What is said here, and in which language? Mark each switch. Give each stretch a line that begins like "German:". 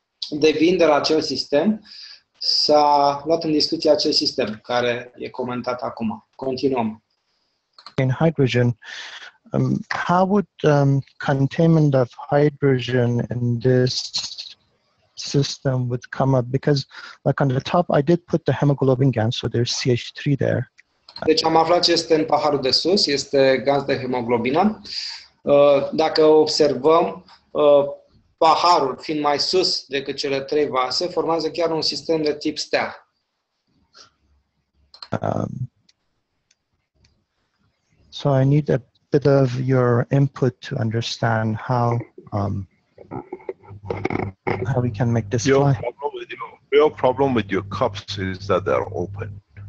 Romanian: Devin de la acel sistem, s-a luat în discuție acest sistem care e comentat acum. Continuăm.
English: In hydrogen, how would containment of hydrogen in this system would come up? Because like on the top I did put the hemoglobin gas, so there's CH3 there.
Romanian: Deci am aflat ce este în paharul de sus, este gaz de hemoglobină. Dacă observăm, paharul fiind mai sus decât cele trei vase, formează chiar un sistem de tip stea.
English: So I need a bit of your input to understand how we can make this fly. Your problem with your cups is that they're open.